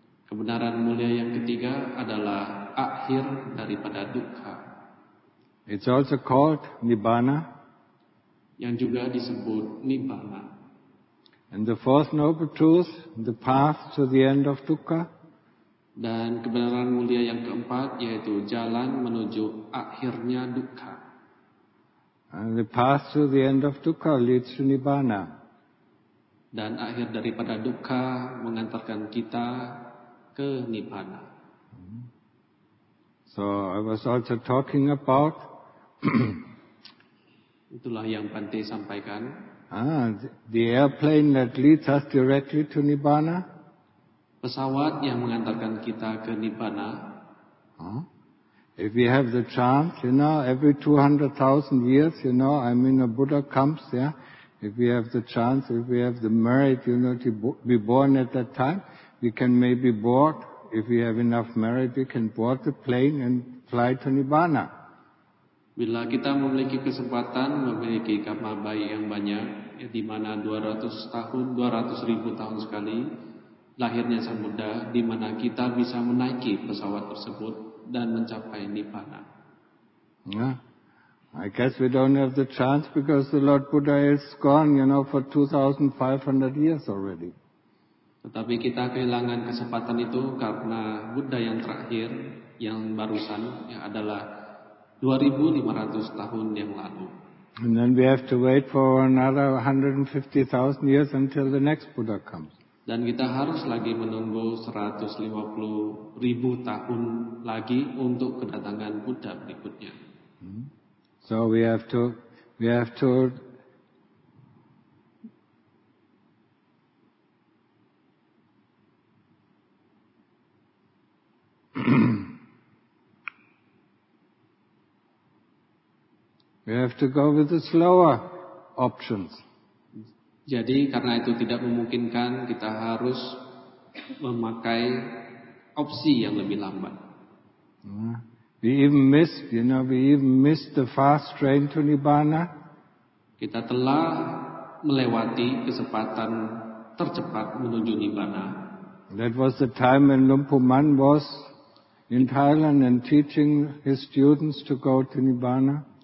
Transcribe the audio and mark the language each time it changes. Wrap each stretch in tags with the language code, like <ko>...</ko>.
<id>Kebenaran mulia yang ketiga adalah akhir daripada dukkha.</id> <en>It's also called nibbana.</en> <id>Yang juga disebut nibbana.</id> <en>And the fourth noble truth, the path to the end of dukkha.</en> <id>Dan kebenaran mulia yang keempat yaitu jalan menuju akhirnya dukkha.</id> <en>And the path to the end of dukkha leads to nibbana.</en> <id>Dan akhir daripada dukkha mengantarkan kita ke nibbana.</id> <en>So I was also talking about</en> <id>itulah yang Bante sampaikan.</id> <en>The airplane that leads us directly to nibbana.</en> <id>Pesawat yang mengantarkan kita ke nibbana.</id> <en>If we have the chance, you know, every 200,000 years, you know, I mean, a Buddha comes, yeah. If we have the chance, if we have the merit, you know, to be born at that time, we can maybe board, if we have enough merit, we can board the plane and fly to Nibbana.</en> <id>Bila kita memiliki kesempatan, memiliki karma baik yang banyak, ya, di mana 200 ribu tahun sekali, lahirnya sang Buddha, di mana kita bisa menaiki pesawat tersebut, dan mencapai nibbana.</id> <en>Yeah. I guess we don't have the chance because the Lord Buddha is gone, you know, for 2500 years already.</en> <id>Tetapi kita kehilangan kesempatan itu karena Buddha yang terakhir yang barusan yang adalah 2500 tahun yang lalu.</id> <en>And then we have to wait for another 150,000 years until the next Buddha comes.</en> <id>Dan kita harus lagi menunggu 150 ribu tahun lagi untuk kedatangan Buddha berikutnya.</id> <en>So we have to we have to go with the slower options.</en> <id>Jadi karena itu tidak memungkinkan, kita harus memakai opsi yang lebih lambat.</id> <en>We even missed the fast train to Nibbana.</en> <id>Kita telah melewati kesempatan tercepat menuju Nibbana.</id> <en>That was the time when Lumpu Man was in Thailand and teaching his students to go to Nibbana.</en>